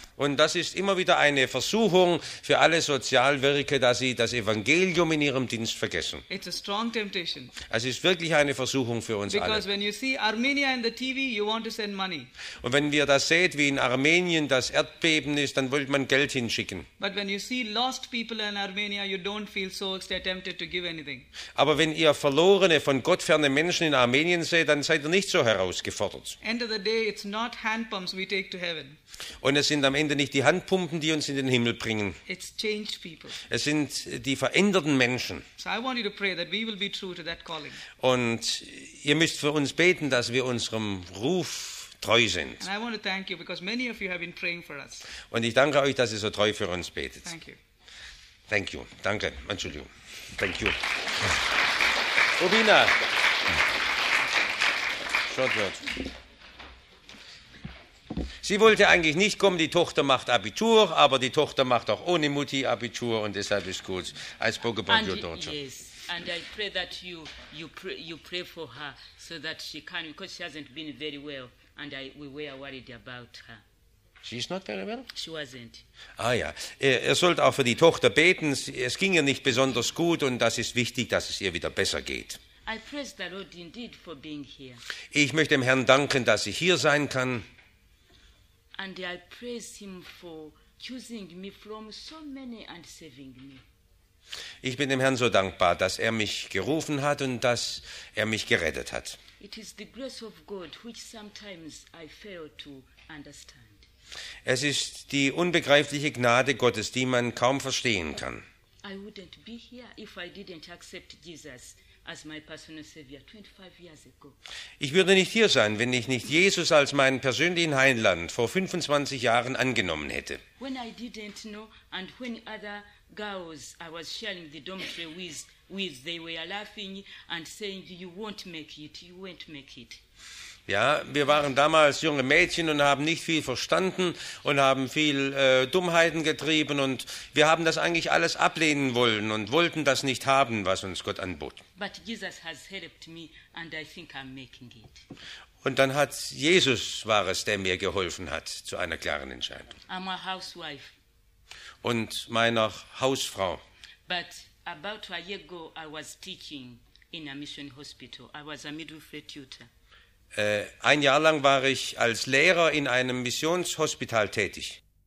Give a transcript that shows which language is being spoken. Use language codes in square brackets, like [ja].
[de] Und das ist immer wieder eine Versuchung für alle Sozialwerke, dass sie das Evangelium in ihrem Dienst vergessen. [en] It's a strong temptation. [de] Es ist wirklich eine Versuchung für uns [en] Because [de] alle. [en] Because when you see Armenia in the TV, you want to send money. [de] Und wenn wir das seht, wie in Armenien das Erdbeben ist, dann will man Geld hinschicken. [en] But when you see lost people in Armenia, you don't feel so tempted to give anything. [de] Aber wenn ihr verlorene, von Gott ferne Menschen in Armenien seht, dann seid ihr nicht so herausgefordert. [en] End of the day, it's not hand pumps we take to heaven. [de] Und es sind am Ende nicht die Handpumpen, die uns in den Himmel bringen. [en] It's changed people. [de] Es sind die veränderten Menschen. [en] So I want you to pray that we will be true to that calling. [de] Und ihr müsst für uns beten, dass wir unserem Ruf treu sind. [en] And I want to thank you because many of you have been praying for us. [de] Und ich danke euch, dass ihr so treu für uns betet. [en] Thank you. Thank you. [de] Danke. Entschuldigung. [en] Thank you. Robina. Short word. [de] Sie wollte eigentlich nicht kommen, die Tochter macht Abitur, aber die Tochter macht auch ohne Mutti Abitur und deshalb ist gut. [en] I spoke about your daughter. Yes, and I pray that you pray for her so that she can, because she hasn't been very well and we were worried about her. She's not very well? She wasn't. [de] Ah ja, er sollte auch für die Tochter beten, es ging ihr nicht besonders gut und das ist wichtig, dass es ihr wieder besser geht. [en] I praise the Lord indeed for being here. [de] Ich möchte dem Herrn danken, dass ich hier sein kann. [en] And I praise him for choosing me from so many and saving me. [de] Ich bin dem Herrn so dankbar, dass er mich gerufen hat und dass er mich gerettet hat. [en] It is the grace of God which sometimes I fail to understand. [de] Es ist die unbegreifliche Gnade Gottes, die man kaum verstehen kann. [en] I wouldn't be here if I didn't accept Jesus as my personal savior 25 years ago. [de] Ich würde nicht hier sein, wenn ich nicht Jesus als meinen persönlichen Heiland vor 25 Jahren angenommen hätte. [en] When I didn't know and when other girls I was sharing the dormitory with, they were laughing and saying, you won't make it, you won't make it. [de] Ja, wir waren damals junge Mädchen und haben nicht viel verstanden und haben viel Dummheiten getrieben und wir haben das eigentlich alles ablehnen wollen und wollten das nicht haben, was uns Gott anbot. [en] But Jesus has helped me and I think I'm making it. [de] Und dann hat Jesus, war es, der mir geholfen hat zu einer klaren Entscheidung. [en] I'm a housewife. [de] Und meiner Hausfrau. [en] But about a year ago I was teaching in a mission hospital. I was a midwifery tutor. [de] Ein Jahr lang war ich als Lehrer in einem Missionshospital tätig.